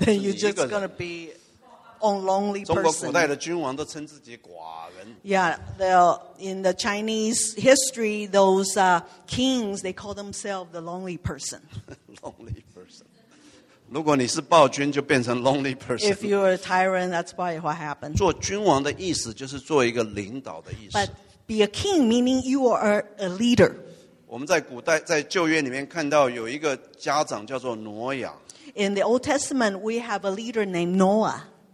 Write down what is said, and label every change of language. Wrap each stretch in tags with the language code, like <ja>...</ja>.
<en>Then you're just gonna be a lonely person.</en> <zh>中国古代的君王都称自己寡人。</zh> <en>Yeah, the in the Chinese history, those kings they call themselves the lonely person. Lonely person.</en> <zh>如果你是暴君，就变成</zh> <en>lonely person. If you're a tyrant, that's probably what happened.</en> <zh>做君王的意思就是做一个领导的意思。</zh> <en>But be a king meaning you are a leader.</en> <zh>我们在古代在旧约里面看到有一个家长叫做挪亚。</zh> <en>In the Old Testament, we have a leader named Noah.</en>